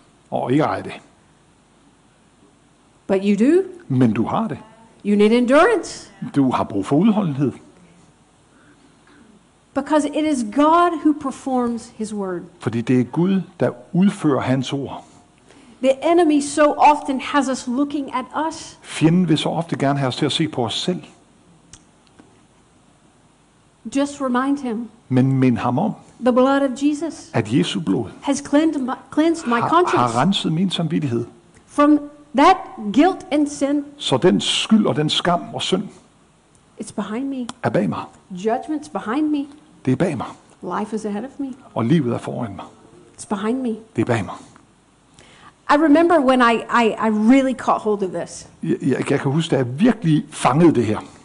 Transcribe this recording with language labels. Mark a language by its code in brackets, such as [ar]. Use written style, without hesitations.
[da] Og ikke ejer det. [en] But you do. [da] Men du har det. [en] You need endurance. [da] Du har brug for udholdenhed. [en] Because it is God who performs his word. [da] Fordi det er Gud der udfører hans ord. [en] The enemy so often has us looking at us. [da] Fjenden vil så ofte gerne have os til at se på os selv. [en] Just remind him. [da] Men mind ham om. [en] The blood of Jesus. [da] At Jesu blod. [en] Has cleansed my conscience. [da] Har renset min samvittighed. [en] From that guilt and sin. [da] Så den skyld og den skam og synd. [en] It's behind me. [da] Er bag mig. [en] Judgment's behind me. [da] Det er bag mig. [en] Life is ahead of me. [da] Og livet er foran mig. [en] It's behind me. [da] Det er bag mig. [en] I remember when I really caught hold of this. [da] Jeg kan huske, at jeg virkelig fangede det her.